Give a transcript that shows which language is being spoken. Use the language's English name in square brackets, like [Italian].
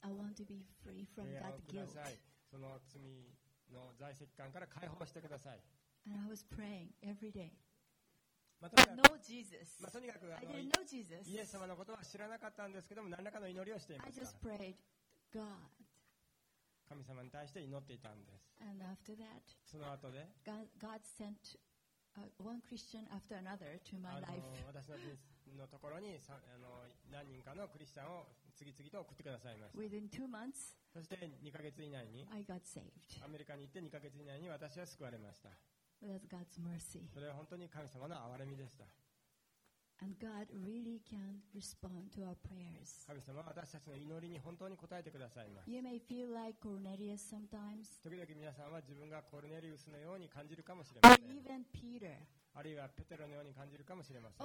[English] I want to be free from that guilt. [Japanese] その罪の在籍感から解放してください。 [English] And I was praying every day. [Japanese] まあ、 [English] no Jesus. [Japanese] まあ、とにかく [English] I didn't know Jesus. [Japanese] イエス様のことは知らなかったんですけども、何らかの祈りをしていました。 [English] I just prayed God. [Japanese] 神様に対して祈っていたんです。 [English] And after that, [Japanese] その後で、 [English] God sentone Christian after another to my life. [Japanese] 私の人のところに何人かのクリスチャンを次々と送ってくださいました。 [English] Within two months, [Japanese] そして2ヶ月以内に、 [English] I got saved. [Japanese] アメリカに行って2ヶ月以内に私は救われました。 [English] That's God's mercy. [Japanese] それは本当に神様の憐れみでした。 [English] And God really can respond to our prayers. [Japanese] 神様は私たちの祈りに本当に応えてくださいます。 [English] You may feel like Cornelius sometimes. [Japanese] 時々皆さんは自分がコルネリウスのように感じるかもしれません。 [English] Even Peter. [Japanese] あるいはペテロのように感じるかもしれません。